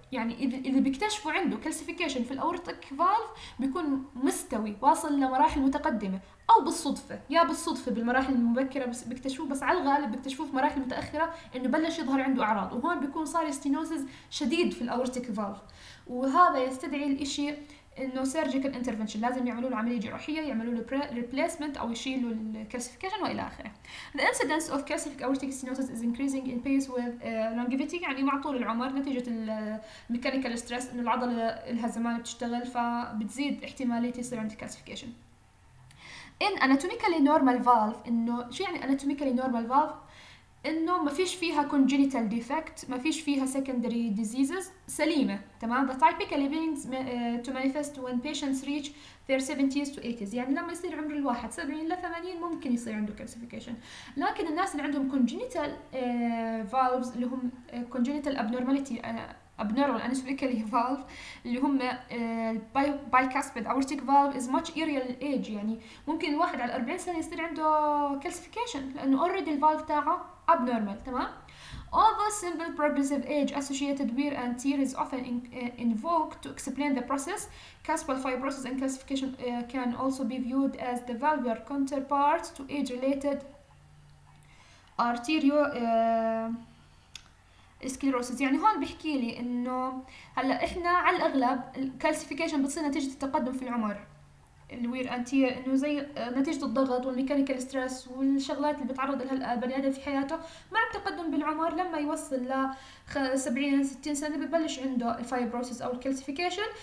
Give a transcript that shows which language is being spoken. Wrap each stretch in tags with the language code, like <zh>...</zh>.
<ar>يعني اذا بيكتشفوا عنده كالسيفيكيشن في الاورتك فالف بيكون مستوي واصل لمراحل متقدمه او بالصدفه، يا بالصدفه بالمراحل المبكره بس بيكتشفوه، بس على الغالب بيكتشفوه في مراحل متاخره انه بلش يظهر عنده اعراض، وهون بيكون صار ستينوسز شديد في الاورتيك فالف، وهذا يستدعي الاشي انه سيرجيكال انترفنشن، لازم يعملوا له عمليه جراحيه، يعملوا له ريبليسمنت او يشيلوا الكالسيفيكيشن والى اخره.</ar> <en>The incidence of calcific aortic stenosis is increasing in pace with longevity،</en> <ar>يعني مع طول العمر نتيجه الميكانيكال ستريس انه العضله لها زمان بتشتغل فبتزيد احتماليه يصير عندك كالسيفيكيشن.</ar> <en>In anatomically normal valve،</en> <ar>إنه شو يعني</ar> <en>anatomically normal valve؟ إنه</en> <ar>ما فيش فيها</ar> <en>congenital defect، ما فيش فيها secondary diseases،</en> <ar>سليمة، تمام؟</ar> <en>The typically begins to manifest when patients reach their 70s to 80s،</en> <ar>يعني لما يصير عمر الواحد 70 ل 80 ممكن يصير عنده</ar> <en>calcification.</en> <ar>لكن الناس اللي عندهم congenital valves اللي هم congenital abnormality abnormal anatomically valve اللي هم bicuspid aortic valve</ar> <en>is much earlier age،</en> <ar>يعني ممكن الواحد على 40 سنة يصير عنده calcification لأنه already valve تاعه abnormal. تمام.</ar> <en>Although simple progressive age associated wear and tear is often invoked to explain the process, cuspal fibrosis and calcification can also be viewed as the valvular counterparts to age related arterial sclerosis.</en> <ar>يعني هون بحكي لي انه هلا احنا على الاغلب الكالسيفيكيشن بتصير نتيجه التقدم في العمر، الوير انتير انه زي نتيجه الضغط والميكانيكال ستريس والشغلات اللي بتعرض لها البني ادم في حياته مع التقدم بالعمر، لما يوصل ل 70 60 سنه ببلش عنده الفايبروسس او الكالسيفيكيشن.</ar>